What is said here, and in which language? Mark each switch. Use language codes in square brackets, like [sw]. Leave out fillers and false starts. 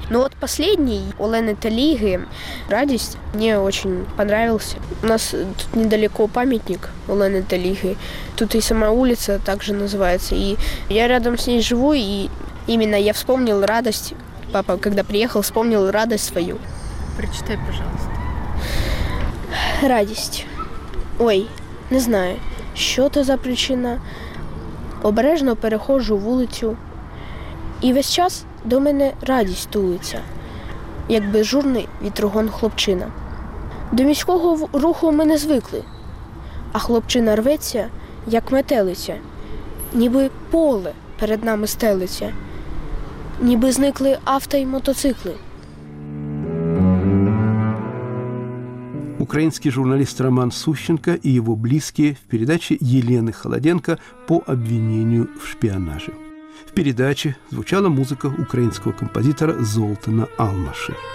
[ru] Но вот последний у Лены Талиги «Радость» мне очень понравился. У нас тут недалеко памятник у Лены Талиги. Тут и сама улица также называется. И я рядом с ней живу, и именно я вспомнил радость. Папа, когда приехал, вспомнил радость свою. Прочитай, пожалуйста. [uk] «Радість. Ой, не знаю, що це за причина. Обережно переходжу вулицю, і весь час до мене радість тулиться, як безжурний вітрогон хлопчина. До міського руху ми не звикли, а хлопчина рветься, як метелиця, ніби поле перед нами стелиться, ніби зникли авто й мотоцикли». [ru] Украинский журналист Роман Сущенко и его близкие в передаче Елены Холоденко «По обвинению в шпионаже». В передаче звучала музыка украинского композитора Золтана Алмаши.